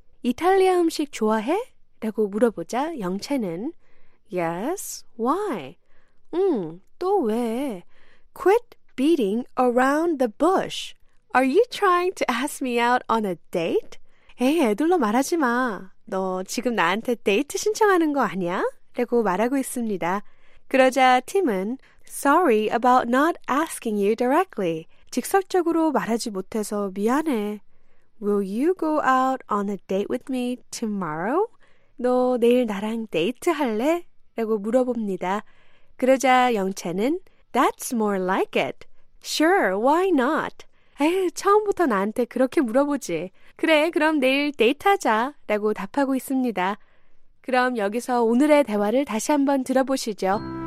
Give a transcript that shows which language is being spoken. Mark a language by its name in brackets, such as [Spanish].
[Korean] 이탈리아 음식 좋아해? 라고 물어보자 영채는 [English] Yes, why? [Korean] 또 왜? [English] Quit beating around the bush. Are you trying to ask me out on a date? [Korean] 에이, 애들로 말하지 마. 너 지금 나한테 데이트 신청하는 거 아니야? 라고 말하고 있습니다. 그러자 팀은 [English] Sorry about not asking you directly. [Korean] 직설적으로 말하지 못해서 미안해. [English] Will you go out on a date with me tomorrow? [Korean] 너 내일 나랑 데이트 할래? 라고 물어봅니다. 그러자 영채는 [English] That's more like it. Sure, why not? [Korean] 에휴, 처음부터 나한테 그렇게 물어보지. 그래, 그럼 내일 데이트하자. 라고 답하고 있습니다. 그럼 여기서 오늘의 대화를 다시 한번 들어보시죠.